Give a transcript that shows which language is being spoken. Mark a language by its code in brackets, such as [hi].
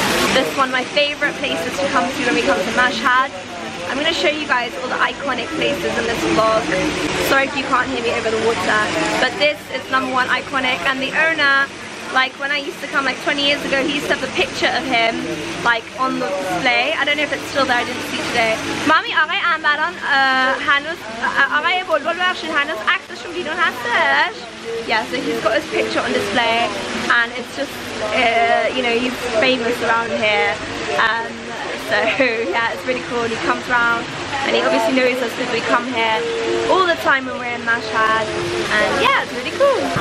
[en] This one, my favorite places to come to when we come to Mashhad. I'm gonna show you guys all the iconic places in this vlog. Sorry if you can't hear me over the water, but this is number one iconic, and the owner, like when I used to come like 20 years ago, he used to have a picture of him like on the display. I don't know if it's still there, I didn't see today. [fa] Mami, آقای انبران هنوز آقای بلبل بخشید هنوز عکسشون بیرون هستش. [en] Yeah, so he's got his picture on display, and it's just, you know, he's famous around here. So yeah, it's really cool, and he comes around, and he obviously knows us because we come here all the time when we're in Mashhad, and yeah, it's really cool.